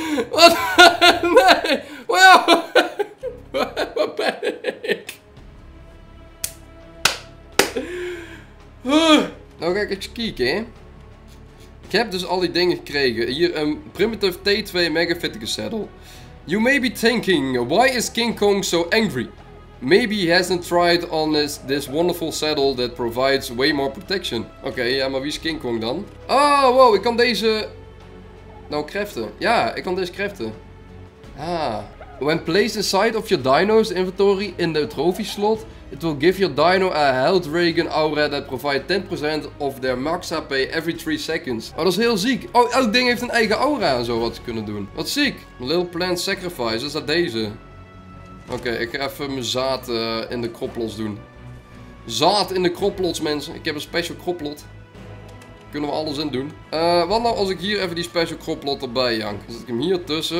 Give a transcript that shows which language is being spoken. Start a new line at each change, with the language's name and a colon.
Dutch: Wat? Nee! Wow! Wat ben ik? Nou ga ik eens kijken, hè. Ik heb dus al die dingen gekregen. Hier een Primitive T2 Mega Fitica Saddle.
English: You may be thinking, why is King Kong so angry? Maybe he hasn't tried on this wonderful saddle that provides way more protection.
Dutch: Oké, okay, ja, maar wie is King Kong dan? Oh, wow, ik kan deze... Nou, craften. Ja, ik kan deze craften. Ah.
English: When placed inside of your dino's inventory in the trophy slot, it will give your dino a health dragon aura that provides 10% of their max HP every 3 seconds.
Dutch: Oh, dat is heel ziek. Oh, elk ding heeft een eigen aura en zo wat ze kunnen doen. Wat ziek. Little plant sacrifice, is dat deze? Oké, ik ga even mijn zaad in de kroplots doen. Zaad in de kroplots, mensen. Ik heb een special kroplot. Kunnen we alles in doen. Wat nou als ik hier even die special kroplot erbij jank? Zet ik hem hier tussen.